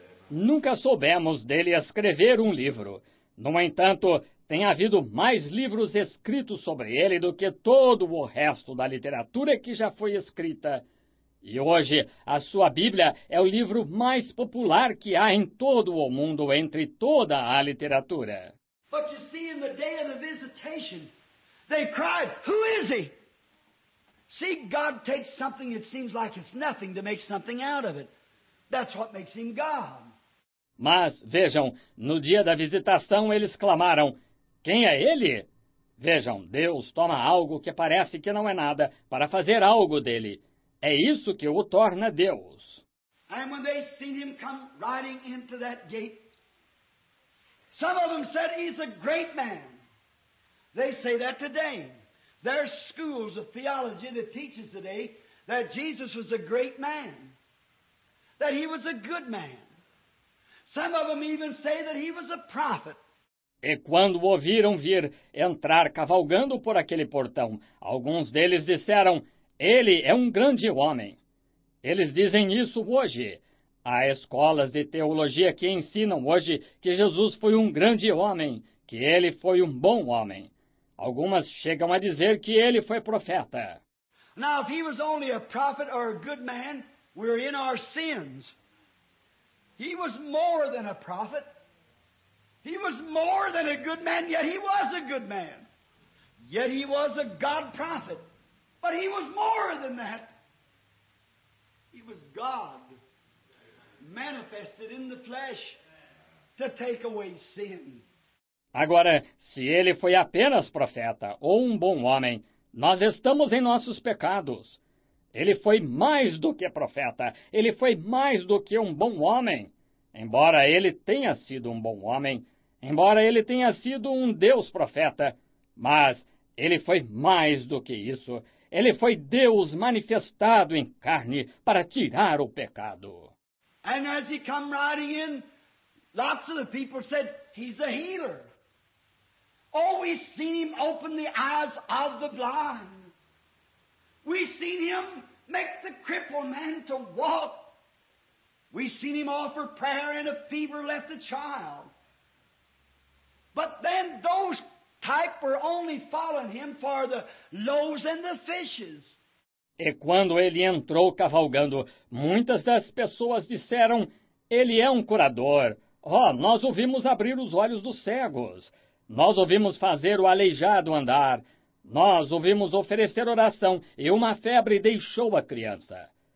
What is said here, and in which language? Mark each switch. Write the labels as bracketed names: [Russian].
[Portuguese] Nunca soubemos dele escrever um livro. No entanto, tem havido mais livros escritos sobre ele do que todo o resto da literatura que já foi escrita. E hoje, a sua Bíblia é o livro mais popular que há em todo o mundo, entre toda a literatura. [English] But you see, in the day of the visitation, they cried, "Who is he?" See, God takes something that seems like it's nothing to make something out of it. That's what makes him God. [Portuguese] Mas, vejam, no dia da visitação eles clamaram, "Quem é ele?" Vejam, Deus toma algo que parece que não é nada para fazer algo dele. É isso que o torna Deus. [English] And when they seen him come riding into that gate, some of them said he's a great man. They say that today. There are schools of theology that teaches today that Jesus was a great man, that he was a good man. Some of them even say that he was a prophet. [Portuguese] E quando o ouviram vir entrar cavalgando por aquele portão, alguns deles disseram, ele é um grande homem. Eles dizem isso hoje. Há escolas de teologia que ensinam hoje que Jesus foi um grande homem, que ele foi um bom homem. Algumas chegam a dizer que ele foi profeta. [English] Now, if he was only a prophet or a good man, we're in our sins. He was more than a prophet. He was more than a good man, yet he was a good man. Yet he was a God prophet. But he was more than that. He was God manifested in the flesh to take away sin. [Portuguese] Agora, se ele foi apenas profeta ou um bom homem, nós estamos em nossos pecados. Ele foi mais do que profeta. Ele foi mais do que um bom homem. Embora ele tenha sido um bom homem, embora ele tenha sido um Deus profeta, mas ele foi mais do que isso. Ele foi Deus manifestado em carne para tirar o pecado. [English] And as he come riding in, lots of the people said, he's a healer. Oh, we've seen him open the eyes of the blind. We've seen him make the crippled man to walk. We've seen him offer prayer and a fever left a child. But then those type were only following him for the loaves and the fishes. [Portuguese] E quando ele entrou cavalgando, muitas das pessoas disseram, ele é um curador. Oh, nós ouvimos abrir os olhos dos cegos. Nós ouvimos fazer o aleijado andar. Nós ouvimos oferecer oração e uma febre deixou a criança.